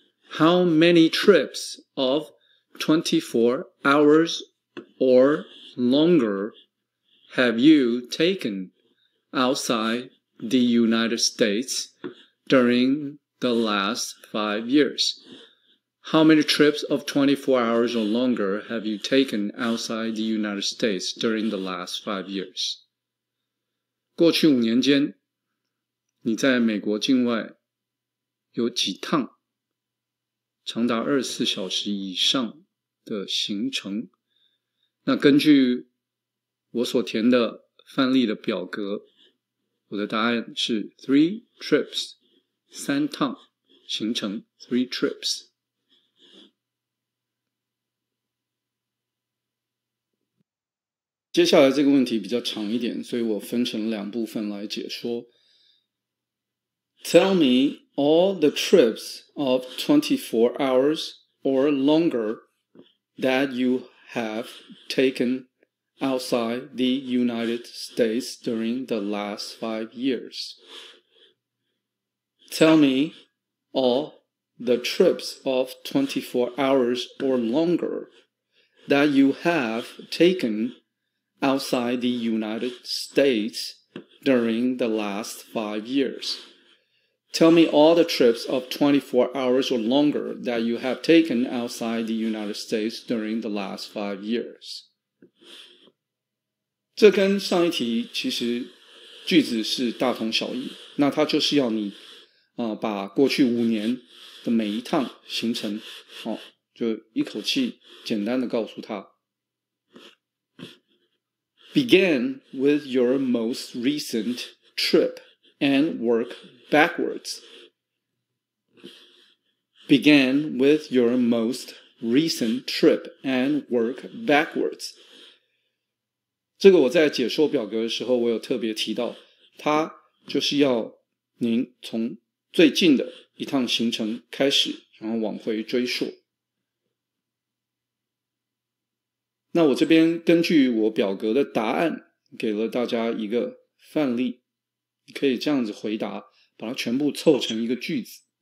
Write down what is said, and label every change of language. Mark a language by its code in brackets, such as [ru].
[en] How many trips of 24 hours or longer have you taken outside the United States during the last 5 years? How many trips of 24 hours or longer have you taken outside the United States during the last 5 years? [zh] 过去五年间你在美国境外有几趟长达24小时以上的行程？那根据我所填的范例的表格，我的答案是 [en] three trips， [zh] 三趟行程 three trips。接下来这个问题比较长一点，所以我分成两部分来解说。 [en] Tell me all the trips of 24 hours or longer that you have taken outside the United States during the last 5 years. Tell me all the trips of 24 hours or longer that you have taken outside the United States during the last 5 years. Tell me all the trips of 24 hours or longer that you have taken outside the United States during the last 5 years. [zh] 这跟上一题其实句子是大同小异，那它就是要你把过去五年的每一趟行程就一口气简单的告诉他。 [en] Begin with your most recent trip and work backwards. Begin with your most recent trip and work backwards. [zh] 这个我在解说表格的时候我有特别提到，它就是要您从最近的一趟行程开始，然后往回追溯。那我这边根据我表格的答案给了大家一个范例，你可以这样子回答，把它全部凑成一个句子。